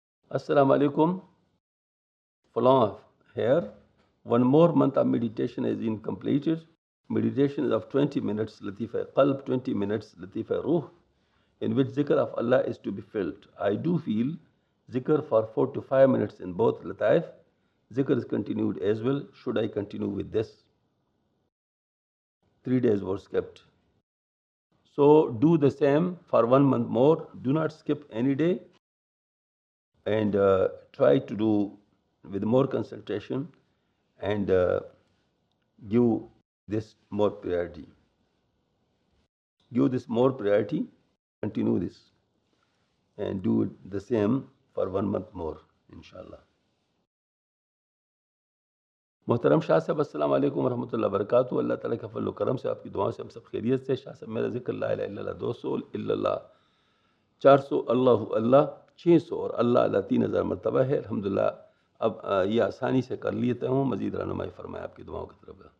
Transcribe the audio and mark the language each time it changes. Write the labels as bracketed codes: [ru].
[en] अस्सलाम वालेकुम, Falah here, 1 more month of meditation is in completed, meditation is of 20 minutes लतीफ़ कल्ब, 20 मिनट्स लतीफ़ रूह, इन विच जिक्र of Allah is to be filled. I do feel जिक्र for 4 to 5 minutes in both लतीफ़, zikr is continued as well, should I continue with this? 3 days were skipped, so do the same for 1 month more, do not skip any day and try to do with more concentration and give this more priority, give this more priority, continue this and do the same for 1 month more inshallah। [hi] मोहतरम शाह साहब, अस्सलाम वालेकुम रहमतुल्लाह बरकातहू। अल्लाह ताला के फ़ज़्ल व करम से आपकी दुआओं से हम सब खैरियत से। शाह साहब, मेरा जिक्र ला इलाहा इल्लल्लाह 200, इल्लल्लाह 400, अल्लाहु अल्लाह 600 और अल्लाह अल्लाह 3000 मरतबा है, अल्हम्दुलिल्लाह अब ये आसानी से कर लेता हूँ, मज़ीद रहनुमाई फरमाए आपकी दुआओं की तरफ।